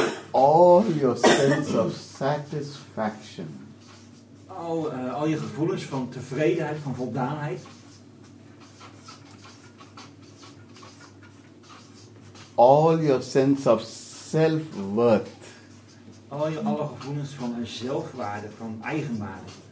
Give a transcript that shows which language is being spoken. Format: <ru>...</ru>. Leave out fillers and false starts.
<en>All your sense of satisfaction.</en> <nl>Al je gevoelens van tevredenheid, van voldaanheid.</nl> <en>All your sense of self-worth.</en> <nl>Alle gevoelens van een zelfwaarde, van eigenwaarde.</nl>